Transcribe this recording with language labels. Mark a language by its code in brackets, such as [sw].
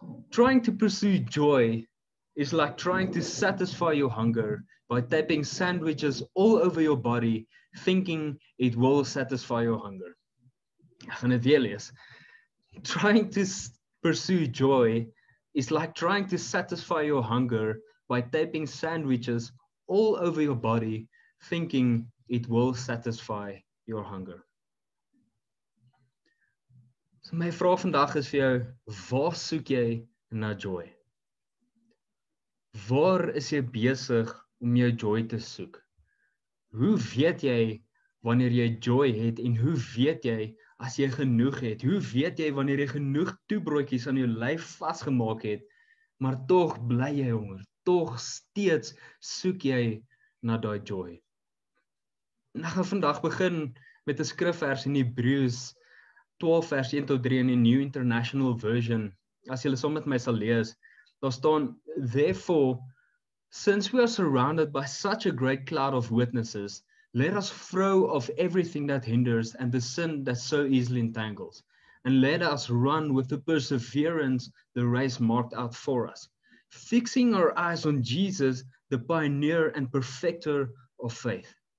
[en] Trying to pursue joy is like trying to satisfy your hunger by taping sandwiches all over your body, thinking it will satisfy your hunger. [af] Ek gaan dit weer lees. [en] Trying to pursue joy is like trying to satisfy your hunger by taping sandwiches all over your body, thinking it will satisfy your hunger. [af] My vraag vandag is vir jou, waar soek jy na joy? Waar is jy besig om jou joy te soek? Hoe weet jy wanneer jy joy het en hoe weet jy as jy genoeg het? Hoe weet jy wanneer jy genoeg toebroodjies aan jou lyf vasgemaak het, maar toch bly jy honger, toch steeds soek jy na daai joy? En ek gaan vandag begin met 'n skrifvers in Hebreëus 12 vers 1 tot 3 in die New International Version, as jy saam met my sal lees, daar staan, [en] therefore, since we are surrounded by such a great cloud of witnesses, let us throw off everything that hinders and the sin that so easily entangles, and let us run with the perseverance the race marked out for us, fixing our eyes on Jesus, the pioneer and perfecter of faith.